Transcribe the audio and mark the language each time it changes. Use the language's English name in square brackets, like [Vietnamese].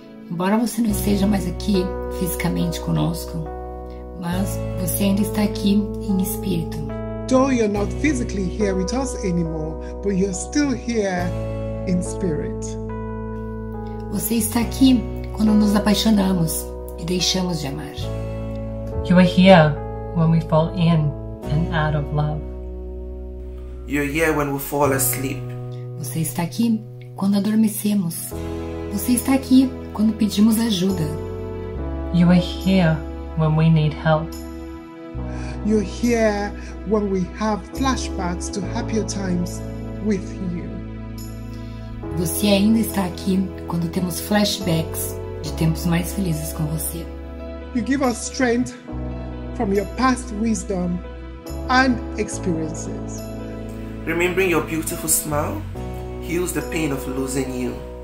[Portuguese] Embora você não esteja mais aqui fisicamente conosco, mas você ainda está aqui em espírito. [English] Though you're not physically here with us anymore, but you're still here in spirit. [Portuguese] Você está aqui quando nos apaixonamos e deixamos de amar. [English] You are here when we fall in and out of love. You're here when we fall asleep. [Portuguese] Você está aqui quando adormecemos. Você está aqui quando pedimos ajuda. [English] You are here when we need help. You're here when we have flashbacks to happier times with you. [Portuguese] Você ainda está aqui quando temos flashbacks de tempos mais felizes com você. [English] You give us strength from your past wisdom and experiences. Remembering your beautiful smile heals the pain of losing you.